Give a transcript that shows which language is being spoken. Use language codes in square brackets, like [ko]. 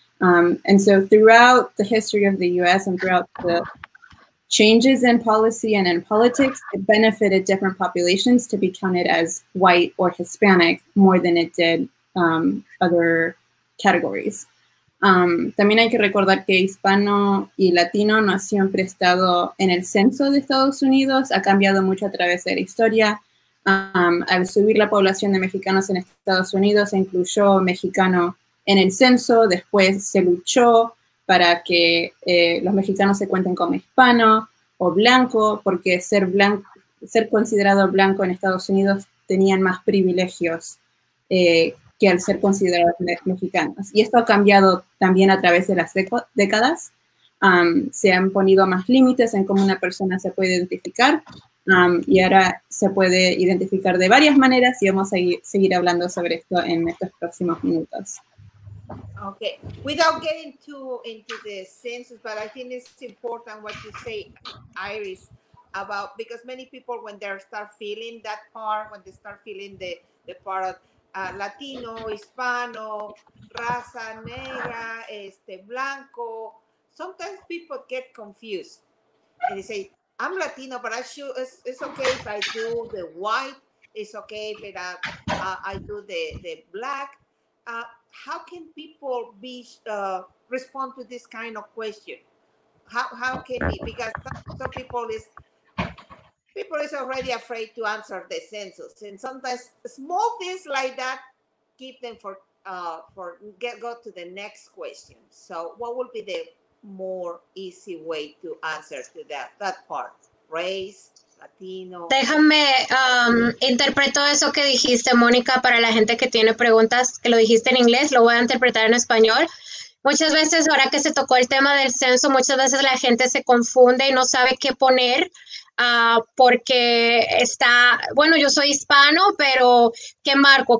[en] And so throughout the history of the US and throughout the changes in policy and in politics, it benefited different populations to be counted as white or Hispanic more than it did other categories. [es] También hay que recordar que hispano y latino no siempre ha estado en el censo de Estados Unidos. Ha cambiado mucho a través de la historia. Al subir la población de mexicanos en Estados Unidos, se incluyó mexicano en el censo. Después se luchó para que los mexicanos se cuenten como hispano o blanco, porque ser considerado blanco en Estados Unidos tenían más privilegios que al ser considerados mexicanos. Y esto ha cambiado también a través de las décadas. Se han ponido más límites en cómo una persona se puede identificar y ahora se puede identificar de varias maneras y vamos a seguir hablando sobre esto en estos próximos minutos. [en] Okay, without getting too into the census, but I think it's important what you say, Iris, about, because many people, when they start feeling that part, when they start feeling the part of Latino, Hispano, [es] raza negra, blanco, [en] sometimes people get confused. And they say, I'm Latino, but it's okay if I do the white, it's okay if I do the black. How can people be respond to this kind of question? How can it? Because some people is already afraid to answer the census, and sometimes small things like that keep them go to the next question. So, what would be the more easy way to answer to that part? Race. Latino. [es] Déjame interpreto eso que dijiste, Mónica, para la gente que tiene preguntas, que lo dijiste en inglés, lo voy a interpretar en español. Muchas veces, ahora que se tocó el tema del censo, muchas veces la gente se confunde y no sabe qué poner porque está, bueno, yo soy hispano, pero ¿qué marco?